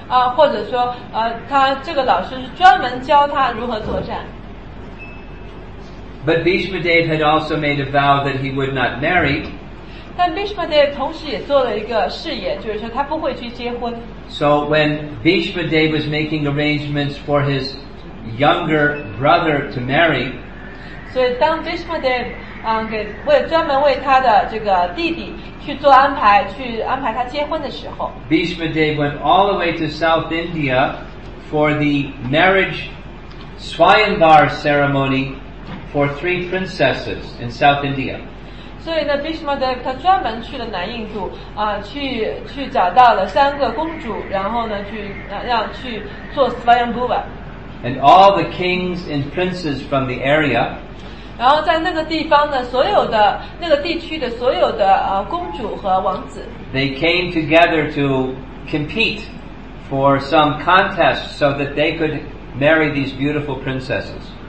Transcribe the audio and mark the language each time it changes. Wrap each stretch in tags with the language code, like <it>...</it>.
<zh>或者说他这个老师是专门教他如何作战。</zh> <en>But Bhishma Dev had also made a vow that he would not marry.</en> <zh>但 Bhishma Dev 同时也做了一个誓言，就是说他不会去结婚。</zh> <en>So when Bhishma Dev was making arrangements for his younger brother to marry,</en> <zh>所以当 Bhishma Dev 专门为他的这个弟弟去做安排，去安排他结婚的时候，</zh> <en>Bhishma Dev went all the way to South India for the marriage Swayambar ceremony. For three princesses in South India.</en> <zh>所以呢 ，Bhishma Dev 他专门去了南印度去找到了三个公主，然后呢，去做 Swayambhuva.</zh> <en>And all the kings and princes from the area.</en> <zh>然后在那个地方呢，所有的那个地区的所有的公主和王子。</zh> <en>They came together to compete for some contest so that they could marry these beautiful princesses.</en>